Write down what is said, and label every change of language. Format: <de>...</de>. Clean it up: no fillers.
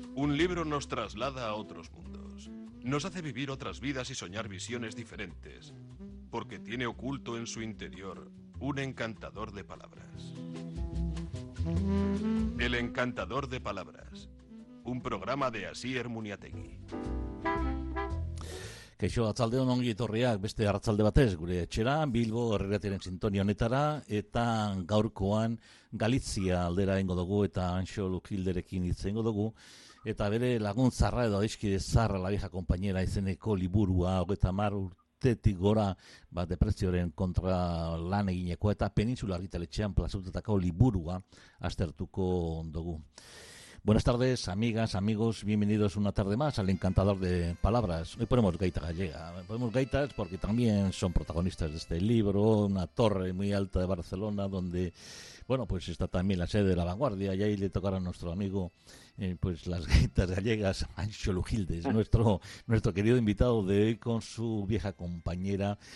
<es>libro nos traslada a otros mundos. Nos hace vivir otras vidas y soñar visiones diferentes. Porque tiene oculto en su interior un encantador de palabras. El encantador de palabras. Un programa de Asier Muniategi.</es> <eu>Keixo, atzaldeon ongi etorriak beste arratzalde batez gure etxera, Bilbo Herriaren sintonia honetara, eta gaurkoan Galizia aldera ingo dugu eta Anxo Lukilderekin izango dugu, eta bere lagun zarra edo adiskide zarra la vieja compañera izeneko liburua, 50 urtetik gora, ba, depresioaren kontra lan egineko, eta Peninsula argitaletxean plazutetako liburua aztertuko dugu.</eu> <es>Buenas tardes, amigas, amigos, bienvenidos una tarde más al Encantador de Palabras. Hoy ponemos gaita gallega, ponemos gaitas porque también son protagonistas de este libro, una torre muy alta de Barcelona donde, bueno, pues está también la sede de La Vanguardia y ahí le tocará a nuestro amigo, pues las gaitas gallegas, Anxo Lukildes, nuestro querido invitado de hoy con su vieja compañera.</es>